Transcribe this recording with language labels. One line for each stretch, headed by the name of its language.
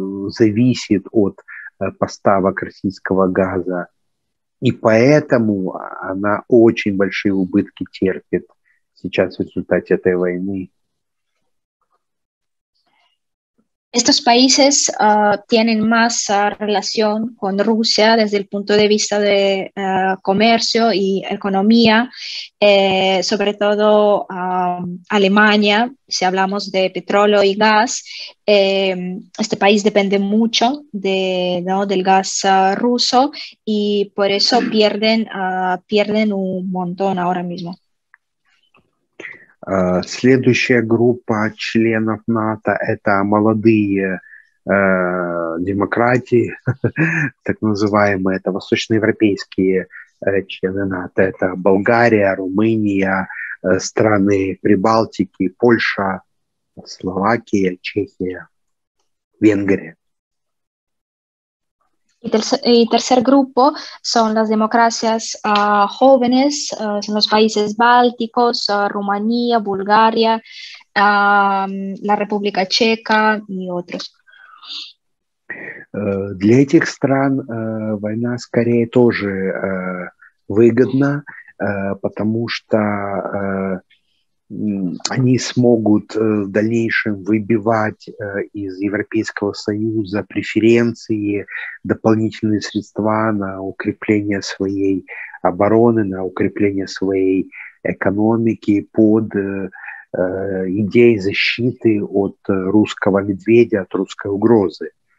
Russian: зависит от поставок российского газа, и поэтому она очень большие убытки терпит сейчас в результате этой войны.
Spanish: Estos países tienen más relación con Rusia desde el punto de vista de comercio y economía, sobre todo Alemania, si hablamos de petróleo y gas. Este país depende mucho del gas ruso y por eso pierden un montón ahora mismo.
Russian: Следующая группа членов НАТО – это молодые демократии, так называемые, это восточноевропейские члены НАТО. Это Болгария, Румыния, страны Прибалтики, Польша, Словакия, Чехия, Венгрия.
Spanish: Y tercer grupo son las democracias jóvenes, son los países bálticos, Rumanía, Bulgaria, la República Checa y otros.
Russian: Для этих стран война скорее тоже выгодна, потому что они смогут в дальнейшем выбивать из Европейского Союза преференции, дополнительные средства на укрепление своей обороны, на укрепление своей экономики под идеей защиты от русского медведя, от русской угрозы.